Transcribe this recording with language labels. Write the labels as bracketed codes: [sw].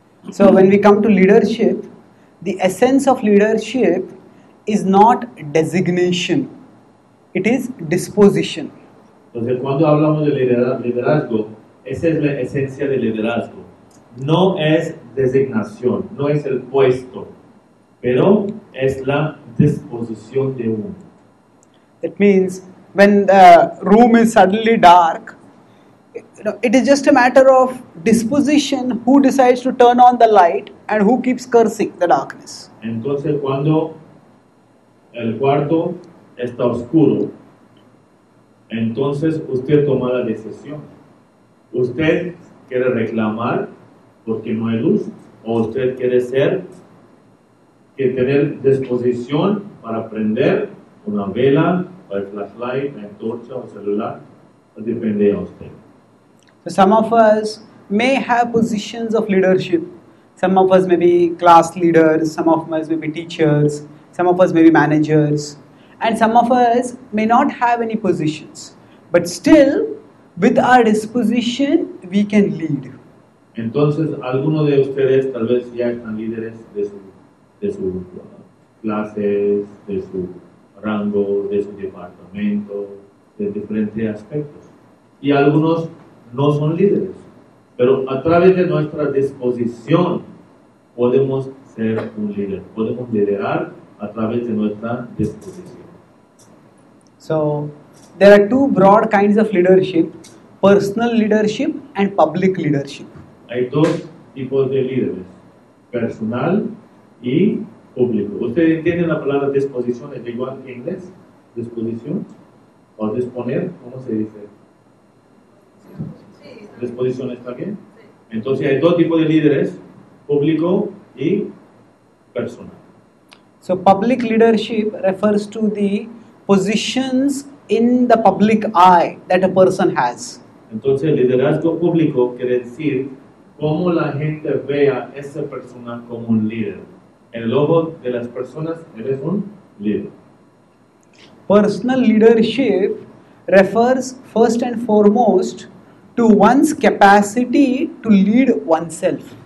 [en] So when we come to leadership, the essence of leadership is not designation, it is disposition. [es] Entonces cuando hablamos de liderazgo, esa es la esencia del liderazgo. No es designación, no es el puesto, pero es la disposición de uno. [en] It means when the room is suddenly dark, it is just a matter of disposition, who decides to turn on the light and who keeps cursing the darkness. [es] Entonces, cuando el cuarto está oscuro, entonces usted toma la decisión. Usted quiere reclamar porque no hay luz, o usted quiere ser, que tener disposición para prender una vela, la flashlight, la antorcha o celular, depende de usted. [en] So some of us may have positions of leadership. Some of us may be class leaders, some of us may be teachers, some of us may be managers, and some of us may not have any positions. But still, with our disposition, we can lead. [es] Entonces, alguno de ustedes tal vez ya están líderes de su clases, de su rango, de su departamento, de diferentes aspectos. Y algunos no son líderes. Pero a través de nuestra disposición podemos ser un líder. Podemos liderar a través de nuestra disposición. [en] So, there are two broad kinds of leadership: personal leadership and public leadership. [es] Hay dos tipos de líderes, personal y público. ¿Usted entiende la palabra disposición? ¿Es igual que inglés? ¿Disposición? ¿O disponer? ¿Cómo se dice? ¿Disposición está bien? Entonces hay dos tipos de líderes, público y personal. [en] So public leadership refers to the positions in the public eye that a person has. [es] Entonces liderazgo público quiere decir cómo la gente ve a esa persona como un líder. En el ojo de las personas, eres un líder. [en] Personal leadership refers first and foremost to one's capacity to lead oneself.